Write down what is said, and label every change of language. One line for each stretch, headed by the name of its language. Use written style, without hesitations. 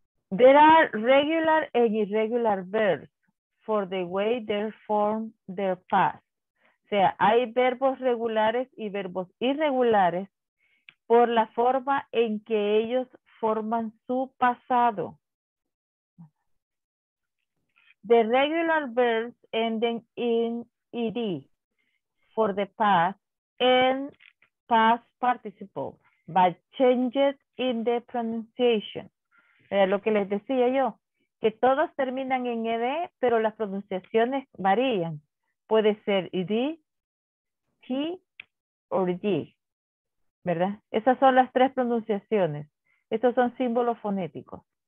English: There are regular and irregular verbs for the way they form their past.
Spanish: O sea, hay verbos regulares y verbos irregulares por la forma en que ellos forman su pasado.
English: The regular verbs ending in ed for the past and past participle, but changes in the pronunciation.
Spanish: Lo que les decía yo, que todos terminan en ed, pero las pronunciaciones varían. Puede ser ed, t, o g, ¿verdad? Esas son las tres pronunciaciones. Estos son símbolos fonéticos.